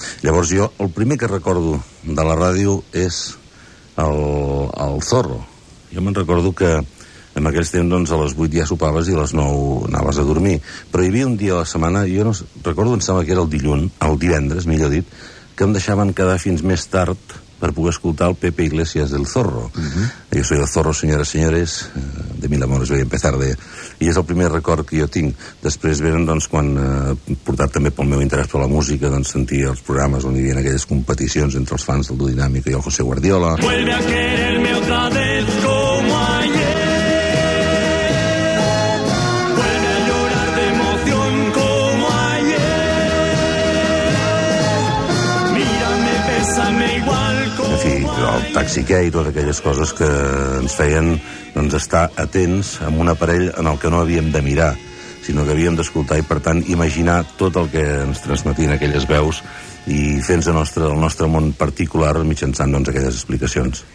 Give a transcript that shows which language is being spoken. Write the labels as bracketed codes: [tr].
[ca] Llavors jo, el primer que recordo de la ràdio és el Zorro. Jo me'n recordo que en aquells temps doncs, a les 8 ja sopaves i a les 9 anaves a dormir. Però hi havia un dia a la setmana, jo no recordo, em sembla que era el dilluns, el divendres, millor dit, que em deixaven quedar fins més tard per poder escoltar el Pepe Iglesias del Zorro. [es] Jo soy el Zorro, señoras y señores, de mil amores voy a empezar de... [ca] I és el primer record que jo tinc. Després venen, doncs, quan, portat també pel meu interès per la música, doncs sentia els programes on hi havia aquelles competicions entre els fans del Dudinàmico i el José Guardiola. [es] Vuelve a quererme otra vez como ayer. Vuelve a llorar de emoción como ayer. Mírame, bésame igual como ayer. [ca] En fi, el Taxi Key i totes aquelles coses que ens feien doncs estar atents amb un aparell en el que no havíem de mirar, sinó que havíem d'escoltar i, per tant, imaginar tot el que ens transmetien aquelles veus i fent-se el nostre món particular mitjançant doncs, aquelles explicacions.